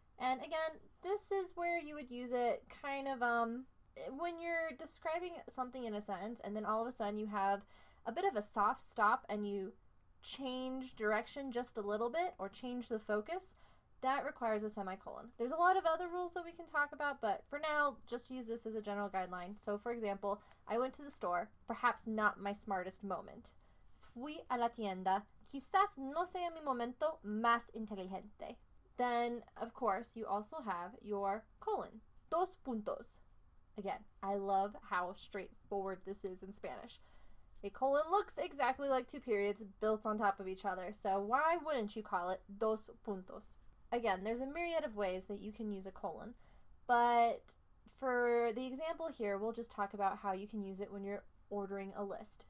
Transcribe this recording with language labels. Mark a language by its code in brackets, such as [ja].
[en] And again, this is where you would use it kind of when you're describing something in a sentence and then all of a sudden you have a bit of a soft stop and you change direction just a little bit or change the focus, that requires a semicolon. There's a lot of other rules that we can talk about, but for now, just use this as a general guideline. So for example, I went to the store, perhaps not my smartest moment. [es] Fui a la tienda, quizás no sea mi momento más inteligente. [en] Then, of course, you also have your colon, dos puntos. Again, I love how straightforward this is in Spanish. A colon looks exactly like two periods built on top of each other, so why wouldn't you call it dos puntos? Again, there's a myriad of ways that you can use a colon, but for the example here, we'll just talk about how you can use it when you're ordering a list.